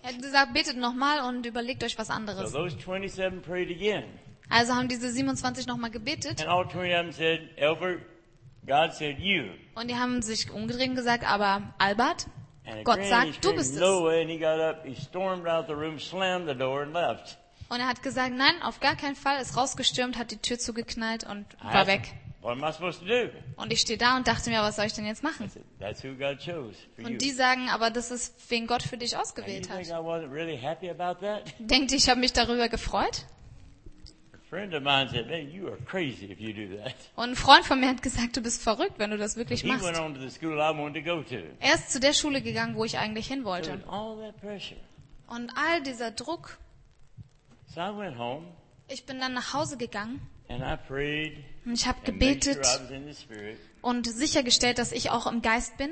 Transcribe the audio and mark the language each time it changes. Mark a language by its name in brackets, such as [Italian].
[German] Er hat gesagt, betet nochmal und überlegt euch was anderes. [English] So those 27 prayed again. [German] Also haben diese 27 nochmal gebetet. [English] And all 27 said, "Albert, God said you." [German] Und die haben sich umgedreht und gesagt, aber Albert, Gott sagt, du bist es. [English] No way! And he got up, he stormed out the room, slammed the door, and left. [German] Und er hat gesagt, nein, auf gar keinen Fall. Ist rausgestürmt, hat die Tür zugeknallt und war weg. [English] What am I supposed to do? [German] Und ich stehe da und dachte mir, was soll ich denn jetzt machen? [English] That's who God chose for you. [German] Und die sagen, aber das ist, wen Gott für dich ausgewählt hat. [English] I wasn't really happy about that? [German] Denkt ihr, ich habe mich darüber gefreut? [English] Friend of mine said, "Man, you are crazy if you do that." [German] Und ein Freund von mir hat gesagt, du bist verrückt, wenn du das wirklich machst. [English] He went on to the school I wanted to go to. [German] Er ist zu der Schule gegangen, wo ich eigentlich hin wollte. [English] So all that pressure. [German] Und all dieser Druck. [English] So I went home. [German] Ich bin dann nach Hause gegangen. [English] And I prayed. [German] Und ich habe gebetet und sichergestellt, dass ich auch im Geist bin.